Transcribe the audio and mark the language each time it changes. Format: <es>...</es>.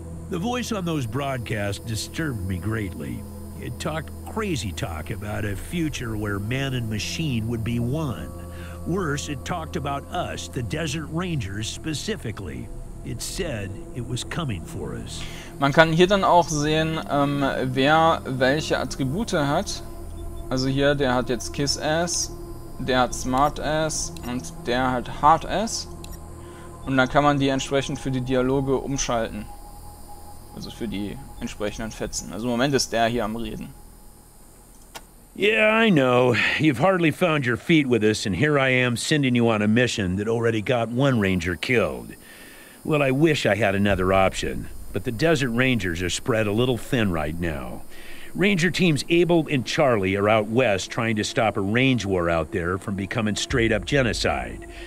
<en>The voice on those broadcasts disturbed me greatly. It talked crazy talk about a future where man and machine would be one. Worse, it talked about us, the Desert Rangers specifically. It said it was coming for us.</en> <de>Man kann hier dann auch sehen, wer welche Attribute hat. Also hier, der hat jetzt Kiss Ass, der hat Smart Ass und der hat Hard Ass. Und dann kann man die entsprechend für die Dialoge umschalten. Also für die entsprechenden Fetzen. Also im Moment ist der hier am Reden.</de> <en>Yeah, I know. You've hardly found your feet with us, and here I am sending you on a mission that already got one ranger killed. Well, I wish I had another option, but the Desert Rangers are spread a little thin right now. Ranger teams Abel and Charlie are out west trying to stop a range war out there from becoming straight-up genocide.</en>